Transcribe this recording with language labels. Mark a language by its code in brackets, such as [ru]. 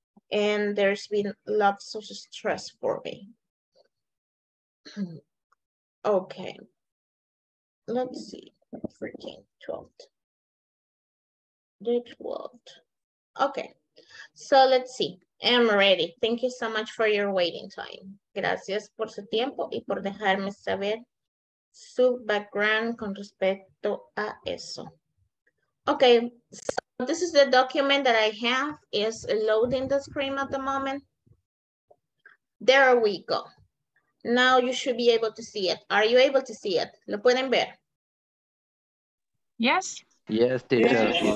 [en] And there's been lots of stress for me. Okay, let's see, freaking 12. The 12th, okay. So let's see. I'm ready. Thank you so much for your waiting time. [es] Gracias por su tiempo y por dejarme saber su background con respecto a eso. [en] Okay, so this is the document that I have. It's loading the screen at the moment. There we go. Now you should be able to see it. Are you able to see it? [es] ¿Lo pueden ver? [en] Yes. Yes, teacher.